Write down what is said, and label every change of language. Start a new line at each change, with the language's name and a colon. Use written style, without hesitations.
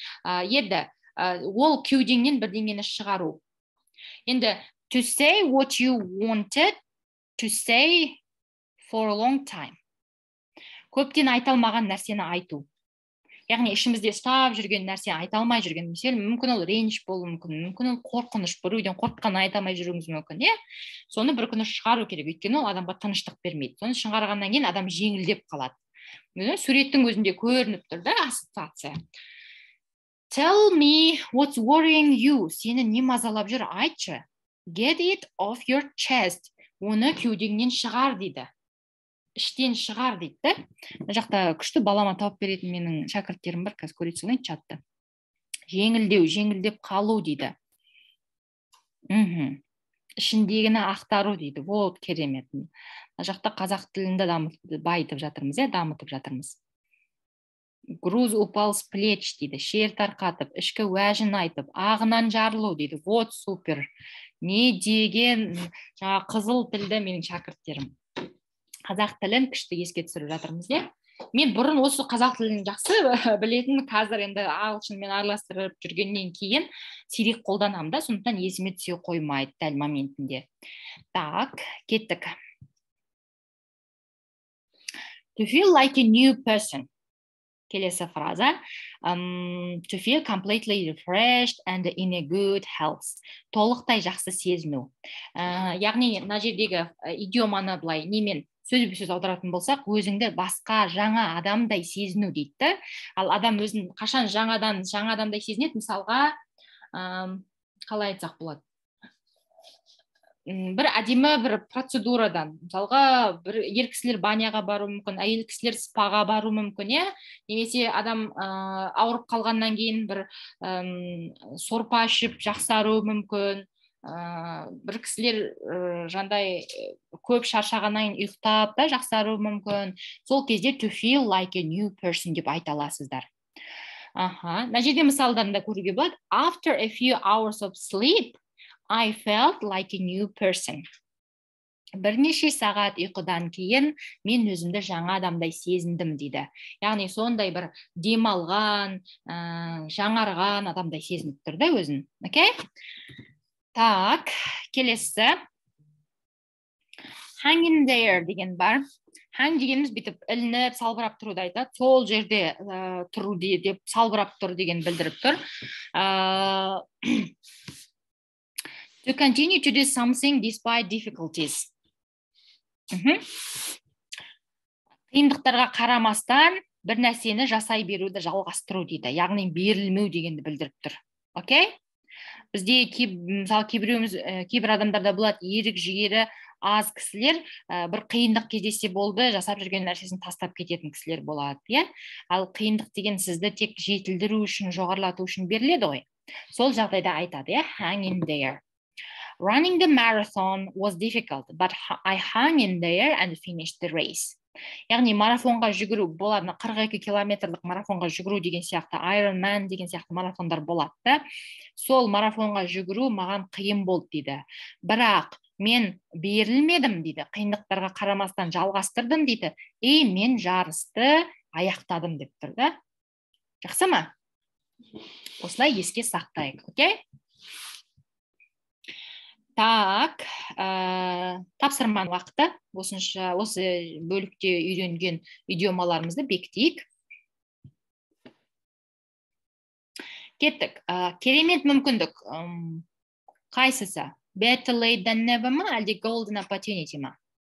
Kazakh: Енді ол кеудеңнен бірдеңені шығару.
English: Енді to say what you wanted to say for a long time.
Kazakh: Көптен айталмаған нәрсені айту. Яғни ішімізде ұстап жүрген нәрсе айталмай жүрген. Мысалы, мүмкін ол реніш болу мүмкін, мүмкін ол қорқыныш, біреуден қорыққан айталмай жүруіміз мүмкін. Соны бір күні шығару керек, өйткені ол адамға тыныштық бермейді. Соны шығарғаннан кейін адам жеңілдеп қалады. Міне, суреттің өзінде көрініп тұр да ассоциация.
English: Tell me what's worrying you.
Kazakh: Сені не мазалап жүр, айтшы.
English: Get it off your chest.
Kazakh: Оны кеудеңнен шығар дейді. Іштен шығар дейді, да? Мына жақта күшті балама тауып беретін менің шәкірттерім бар, қазір көресіз ғой чатта. Жеңілдеу, жеңілдеп қалу дейді. Ішіндегіні ақтару дейді. Вот керемет. Мына жақта қазақ тілінде байытып жатырмыз, дамытып жатырмыз.
Russian: Груз упал с плеч
Kazakh: дейді, шер тарқатып, ішкі уәжін айтып, ағынан жарылу дейді. Вот супер. Не деген жаңа қызыл тілді менің шәкірттерім. Қазақ тілін күшті еске түсіріп жатырмыз, де? Мен бұрын осы қазақ тілін жақсы білетін, қазір енді ағылшынмен араластырып жүргеннен кейін сирек қолданамын да, сондықтан есіме түсе қоймайды дәл моментінде. Так, кеттік.
English: To feel like a new person.
Kazakh: Келесі фраза.
English: To feel completely refreshed and in a good health.
Kazakh: Толықтай жақсы сезіну. Яғни, мына жердегі идиоманы былай немен сөз-сөз аударатын болсақ, өзіңді басқа жаңа адамдай сезіну дейді. Ал адам өзін қашан жаңадан жаңа адамдай сезінеді? Мысалға, қалай айтсақ болады? Бір әдемі бір процедурадан, мысалға, бір ер кісілер баняға бару мүмкін, әйел кісілер спаға бару мүмкін, немесе адам ауырып қалғаннан кейін бір сорпа ішіп жақсару мүмкін. Бір кісілер жандай көп шаршағаннан ұйықтап та жақсару мүмкін. Сол кезде
English: to feel like a new person
Kazakh: деп айта аласыздар. Аха, мына жерде мысалдан да көруге болады.
English: After a few hours of sleep, I felt like a new person.
Kazakh: Бірнеше сағат ұйқыдан кейін мен өзімді жаңа адамдай сезіндім дейді. Яғни сондай бір демалған, жаңарған адамдай сезініп тұр да өзін. Окей? Так, келесі.
English: Hang in there
Kazakh: деген бар. Hang дегеніміз бітіп, ілініп, салбырап тұруды айтады. Сол жерде тұру деп, салбырап тұр деген білдіріп тұр.
English: To continue to do something despite difficulties.
Kazakh: Қиындықтарға қарамастан, бір нәрсені жасай беруді жалғастыру дейді. Яғни берілмеу дегенді білдіріп тұр. Окей? Бізде мысалы кейбіреуіміз, кейбір адамдарда болады ерік жігері аз кісілер, бір қиындық кездесе болды, жасап жүрген нәрсесін тастап кететін кісілер болады, иә? Ал қиындық деген сізді тек жетілдіру үшін, жоғарылату үшін беріледі ғой. Сол жағдайда айтады, иә?
English: Hang in there. Running the marathon was difficult, but I hung in there and finished the race.
Kazakh: Яғни марафонға жүгіру болады, 42 километрлік марафонға жүгіру деген сияқты, Iron Man деген сияқты марафондар болады. Сол марафонға жүгіру маған қиын болды дейді. Бірақ мен берілмедім дейді, қиындықтарға қарамастан жалғастырдым дейді. Мен жарысты аяқтадым деп тұр да. Жақсы ма? Осылай еске сақтайық, окей? Так, тапсырман уақыты, осы бөлікте үйренген идиомаларымызды бектейік. Кеттік, керемет мүмкіндік. Қайсысы?
English: Better late than never
Kazakh: ма, әлде
English: golden opportunity ма?